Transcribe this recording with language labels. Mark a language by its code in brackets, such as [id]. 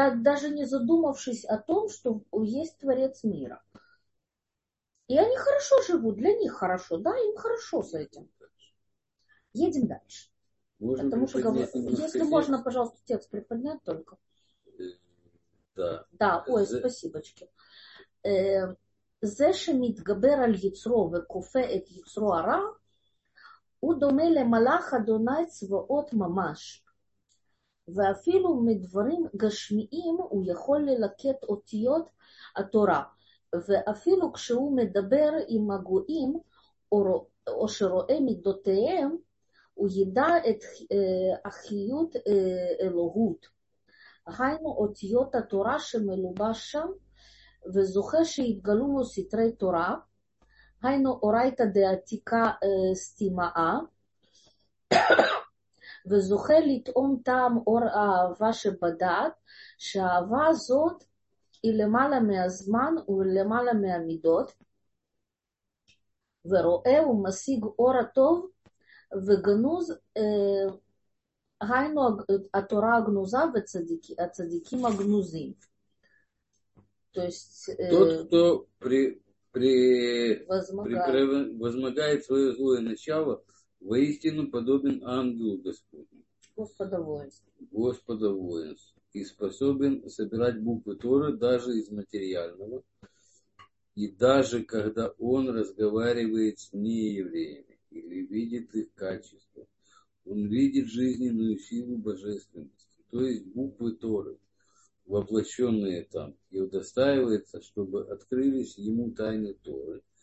[ru] Да, даже не задумавшись о том, что есть Творец мира. И они хорошо живут, для них хорошо, да, им хорошо с этим. Едем дальше. Можно потому что говорю, если текст. Можно, пожалуйста, текст приподнять только. Да. Да, ой, спасибочки. [he] זה שמתגבר על יצרו וכופה את יצרו הרע, הוא דומה למלאך אדוני צבאות ממש. ואפילו מדברים גשמיים הוא יכול ללקט אותיות התורה. ואפילו כשהוא מדבר עם הגויים או שרואה מידותיהם, וידא את אחיות אלוהות. היינו אותיות התורה שמלובש שם, וזוכה שהתגלו לו סתרי תורה, היינו אורייתא דעתיקה סתימאה, וזוכה לטעום טעם אור האהבה שבדעת, שהאהבה הזאת היא למעלה מהזמן ולמעלה מהמידות, ורואה ומשיג אור הטוב וגנוז, היינו התורה הגנוזה והצדיקים הגנוזים. [ru] Тот, кто возмогает свое злое начало, воистину подобен ангелу Господню, Господа воинств, и способен собирать буквы Торы даже из материального, и даже когда он разговаривает с неевреями или видит их качество, он видит жизненную силу божественности, то есть буквы Торы, воплощенные там, и удостаивается, чтобы открылись ему тайны Торы,